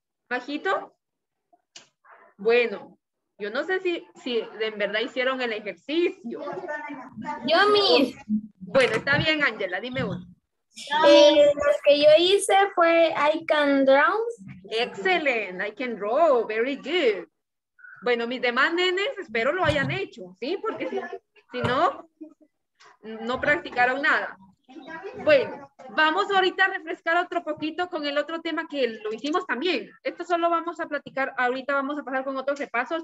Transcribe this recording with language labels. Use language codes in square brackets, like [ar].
[es] Majito, bueno, yo no sé si en verdad hicieron el ejercicio. Yo, mis. Bueno, está bien, Ángela, dime uno. Lo que yo hice fue [en] I can draw. Excellent, I can draw, very good. [es] Bueno, mis demás nenes, espero lo hayan hecho, ¿sí? Porque si no, no practicaron nada. Bueno, vamos ahorita a refrescar otro poquito con el otro tema que lo hicimos también. Esto solo vamos a platicar, ahorita vamos a pasar con otros repasos.